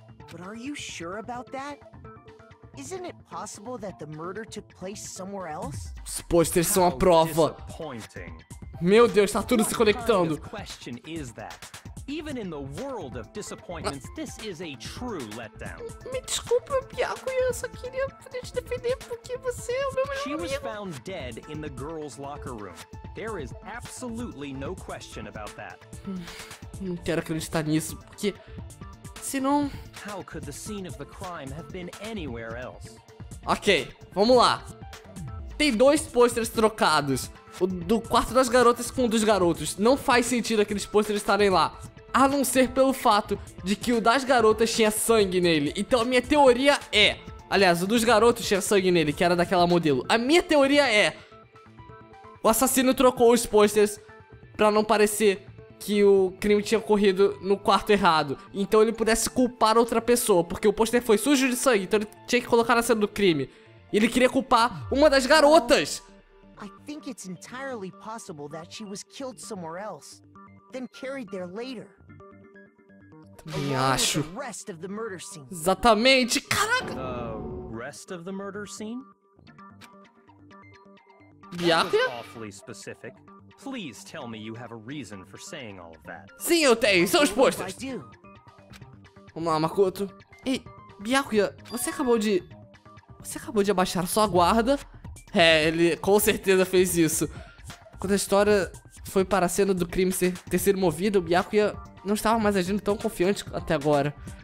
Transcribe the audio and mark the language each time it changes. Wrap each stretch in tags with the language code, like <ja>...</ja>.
<en>But are you sure about that? Isn't it possible that the murder took place somewhere else?</en> <pt>Os posters são a prova. Meu Deus, tá tudo se conectando.</pt> <en>Question is that. Even in the world of disappointments, this is a true letdown.</en> <pt>Me desculpa, Byakuya, eu só queria poder te defender porque você é o meu melhor amigo.</pt> <en>She was found dead in the girls' locker room. There is absolutely no question about that.</en> <pt>Não quero acreditar nisso, porque... Senão...</pt> <en>How could the scene of the crime have been anywhere else?</en> <pt>Ok, vamos lá. Tem dois posters trocados. O do quarto das garotas com o dos garotos. Não faz sentido aqueles posters estarem lá. A não ser pelo fato de que o das garotas tinha sangue nele. Então a minha teoria é... Aliás, o dos garotos tinha sangue nele, que era daquela modelo. A minha teoria é... O assassino trocou os posters pra não parecer que o crime tinha ocorrido no quarto errado. Então ele pudesse culpar outra pessoa, porque o poster foi sujo de sangue, então ele tinha que colocar na cena do crime. E ele queria culpar uma das garotas!</pt> <en>I think it's entirely possible that she was killed somewhere else, then carried there later.</en> <pt>Também acho.</pt> <en>The rest of the murder scene.</en> <pt>Exatamente, caraca!</pt> <en>The rest of the murder scene? Byakuya? That was awfully specific. Please tell me you have a reason for saying all of that.</en> <pt>Sim, eu tenho, são os posters. Vamos lá, Makoto. Ei, Byakuya, você acabou de abaixar a sua guarda. É, ele com certeza fez isso. Quando a história foi para a cena do crime ter sido movido, o Byakuya não estava mais agindo tão confiante até agora.</pt>